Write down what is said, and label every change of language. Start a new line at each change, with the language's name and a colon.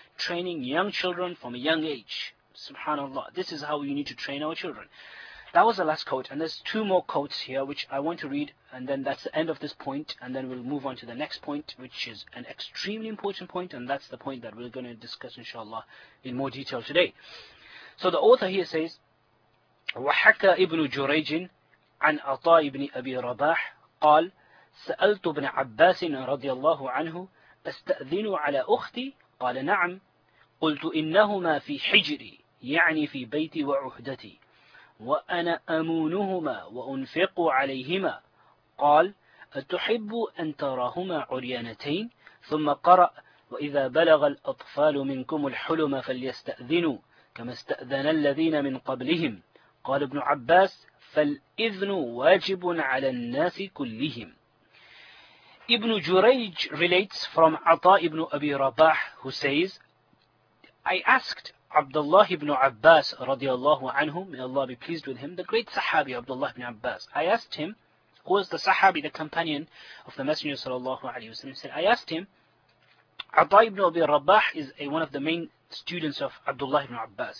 English: Training young children from a young age. Subhanallah, this is how we need to train our children. That was the last quote, and there's two more quotes here which I want to read, and then that's the end of this point, and then we'll move on to the next point, which is an extremely important point, and that's the point that we're going to discuss inshallah in more detail today. So the author here says,
Arabic: وَحَكَى إِبْنُ جُرَيْجٍ عَنْ أَطَاءِ إِبْنِ أَبِي رَبَاحٍ قَالْ سَأَلْتُ بْنَ عَبَّاسٍ رَضِيَ اللَّهُ عَنْهُ أَسْتَأْذِنُ عَلَىٰ أُخْتِي قَالَ نَعَمْ قلت إنهما في حجري يعني في بيتي وعهدتي وأنا أمونهما وأنفق عليهما قال أتحب أن تراهما عريانتين ثم قرأ وإذا بلغ الأطفال منكم الحلم فليستأذنوا كما استأذن الذين من قبلهم قال ابن عباس فالإذن واجب على الناس كلهم.
English: Ibn Jurayj relates from Ata ibn Abi Rabah, who says, I asked Abdullah ibn Abbas radiallahu anhu, may Allah be pleased with him, the great Sahabi Abdullah ibn Abbas. I asked him, who was the Sahabi, the companion of the Messenger sallallahu alayhi wa sallam, said, I asked him, Ata ibn Abi Rabah is one of the main students of Abdullah ibn Abbas.